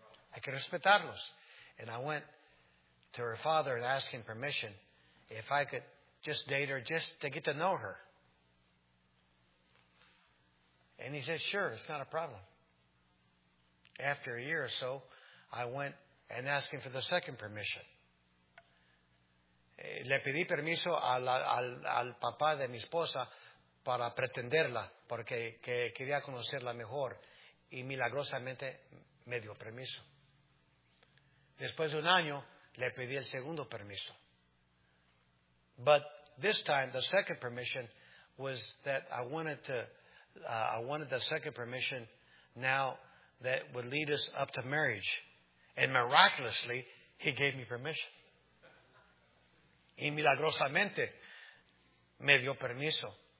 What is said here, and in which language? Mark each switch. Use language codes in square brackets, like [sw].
[es] Hay que respetarlos. [en] And I went to her father and asked him permission if I could just date her just to get to know her. And he said, sure, it's not a problem. After a year or so, I went and asked him for the second permission. [es] Le pedí permiso al papá de mi esposa para pretenderla, porque que quería conocerla mejor. Y milagrosamente me dio permiso. Después de un año, le pedí el segundo permiso. [en] But this time, the second permission was that I wanted the second permission now that would lead us up to marriage. And miraculously, he gave me permission. [es] Y milagrosamente, me dio permiso.